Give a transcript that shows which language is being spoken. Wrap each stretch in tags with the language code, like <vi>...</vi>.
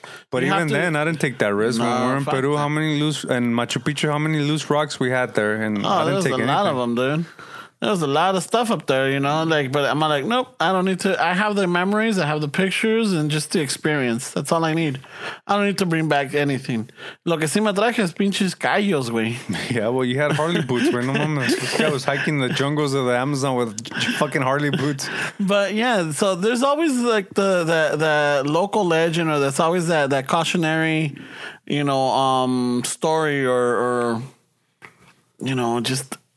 <en>But you even to, then, I didn't take that risk. When we were in Peru, how many loose, and Machu Picchu, how many loose rocks we had there? And there was a lot of them, dude. There was a lot of stuff up there, you know, like, but I'm like, nope, I don't need to. I have the memories, I have the pictures, and just the experience. That's all I need. I don't need to bring back anything.</en> <es>Lo que sí me traje es pinches callos, güey.</es> <en>Yeah, well, you had Harley boots, güey.</en> <es>No mames.</es> <en>This guy was hiking the jungles of the Amazon with fucking Harley boots. But yeah, so there's always like the local legend, or that's always that cautionary, you know, story or you know, just.</en>